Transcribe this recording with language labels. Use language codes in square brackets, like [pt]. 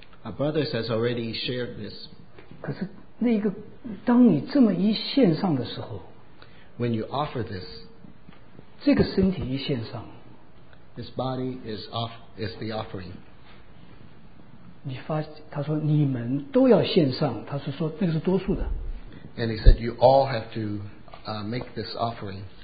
[en] our brothers has already shared this. [zh] 可是那一个当你这么一献上的时候, [en] when you offer this, [zh] 这个身体一献上, [en] this body is off, is the offering. [zh] 你发,他说你们都要献上, 他是说那个是多数的, [en] and he said you all have to make this offering.